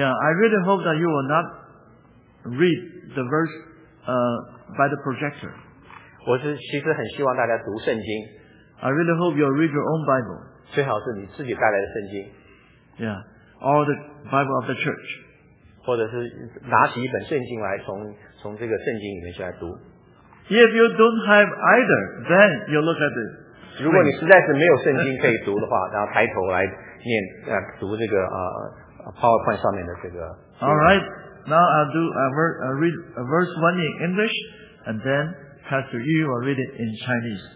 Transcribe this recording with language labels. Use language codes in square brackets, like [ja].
[en] I really hope that you will not read the verse by the projector. I really hope you'll read your own Bible. [zh] 最好是你自己带来的圣经。 [en] Yeah, or the Bible of the church. [zh] 或者是拿起一本圣经来从这个圣经里面去来读。 [en] If you don't have either, then you look at it. [zh] 如果你实在是没有圣经可以读的话，然后抬头来念读这个PowerPoint上面的这个。 [en] All right, now I'll read verse 1 in English, and then Pastor Yu will read it in Chinese.